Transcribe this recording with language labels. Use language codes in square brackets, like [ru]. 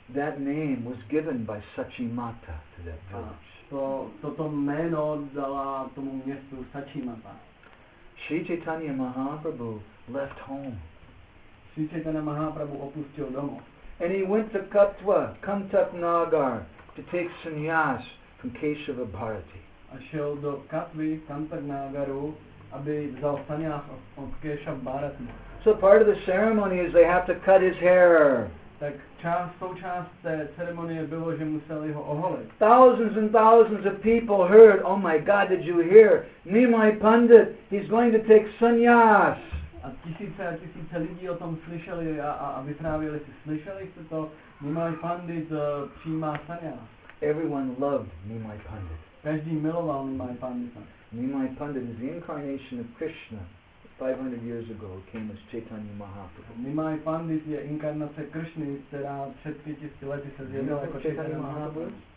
[en] That name was given by Sachimata to that village. [cs] Toto jméno dala tomu městu Sachimata. [en] Sri Chaitanya Mahaprabhu left home. [cs] Sri Chaitanya Mahaprabhu opustil domo. [en] And he went to Katva, Kantak Nagar, to take sannyas from Keshava Bharati. [cs] A šel do Katvy, Kantak Nagaru, aby vzal sannyas od Keshava Bharati. [en] So part of the ceremony is they have to cut his hair. [cs] Tak součást té ceremonie bylo, že museli ho oholit. [en] Thousands and thousands of people heard, oh my God, did you hear? Nimai Pandit, he's going to take sannyas. [cs] A tisíce lidí o tom slyšeli a vyprávěli si, slyšeli jste to? Nimai Pandit přijímá sannyas. [en] Everyone loved Nimai Pandit. [cs] Každý miloval Nimai Pandita. [en] Nimai Pandit is the incarnation of Krishna. 500 years ago came as Chaitanya Mahaprabhu. [cs] Nimai Pandit je inkarnace Krishny, která před 500 lety se zjevila jako Chaitanya Mahaprabhu.